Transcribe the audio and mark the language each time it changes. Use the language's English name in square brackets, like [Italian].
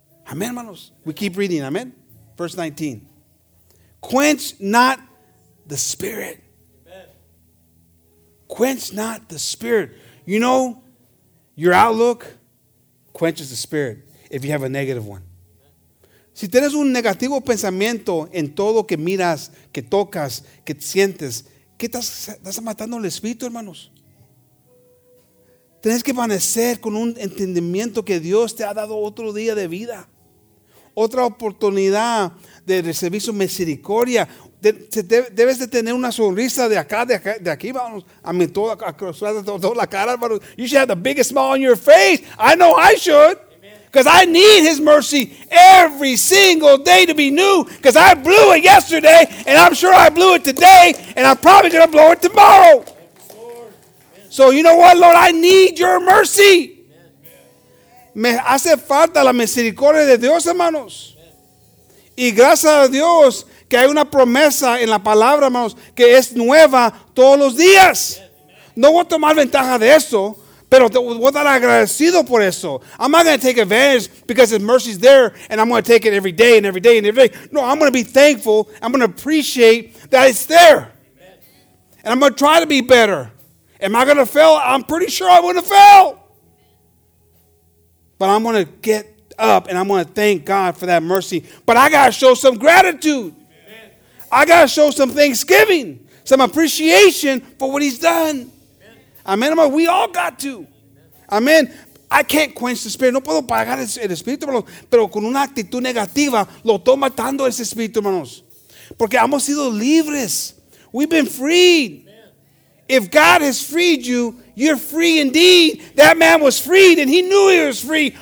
[English] Amen, hermanos. We keep reading. Amen. Verse 19. Quench not the spirit. Quench not the spirit. You know, your outlook quenches the spirit if you have a negative one. [Spanish] Si tienes un negativo pensamiento en todo que miras, que tocas, que sientes, ¿qué estás matando el espíritu, hermanos? Tienes que amanecer con un entendimiento que Dios te ha dado otro día de vida, otra oportunidad de recibir su misericordia. debes de tener una sonrisa de acá, de aquí, vamos. A mí toda, toda la cara, hermanos. [English] You should have the biggest smile on your face. I know I should. Because I need his mercy every single day to be new. Because I blew it yesterday, and I'm sure I blew it today, and I'm probably going to blow it tomorrow. So you know what, Lord? I need your mercy. [Spanish] Me hace falta la misericordia de Dios, hermanos. Y gracias a Dios que hay una promesa en la palabra, hermanos, que es nueva todos los días. No voy a tomar ventaja de eso, pero voy a dar agradecido por eso. [English] I'm not going to take advantage because his mercy is there and I'm going to take it every day and every day and every day. No, I'm going to be thankful. I'm going to appreciate that it's there. And I'm going to try to be better. Am I going to fail? I'm pretty sure I'm going to fail. But I'm going to get up and I'm going to thank God for that mercy. But I got to show some gratitude. Amen. I got to show some thanksgiving, some appreciation for what he's done. Amen. Amen. We all got to. Amen. I can't quench the spirit. [Spanish] No puedo pagar el espíritu, hermanos. Pero con una actitud negativa, lo estoy matando ese espíritu, hermanos. Porque hemos sido libres. [English] We've been freed. If God has freed you, you're free indeed. That man was freed and he knew he was free.